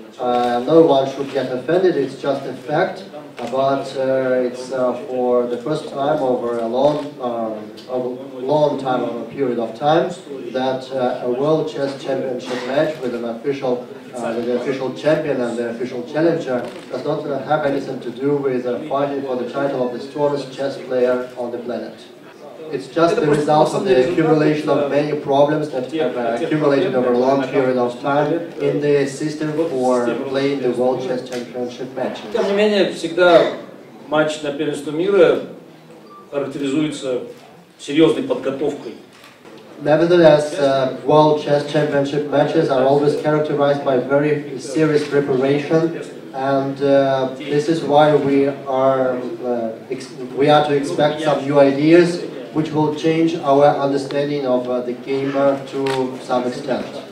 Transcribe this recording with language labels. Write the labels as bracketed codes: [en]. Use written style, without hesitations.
[en] No one should get offended, it's just a fact, but it's for the first time over a long period of time that a World Chess Championship match with an official with the official champion and the official challenger does not have anything to do with fighting for the title of the strongest chess player on the planet. It's just the result of the accumulation of many problems that have accumulated over a long period of time in the system for playing the World Chess Championship matches. [ru] Тем не менее, всегда матч на первенство мира характеризуется серьезной подготовкой. [en] Nevertheless, World Chess Championship matches are always characterized by very serious preparation, and this is why we are to expect some new ideas which will change our understanding of the game to some extent.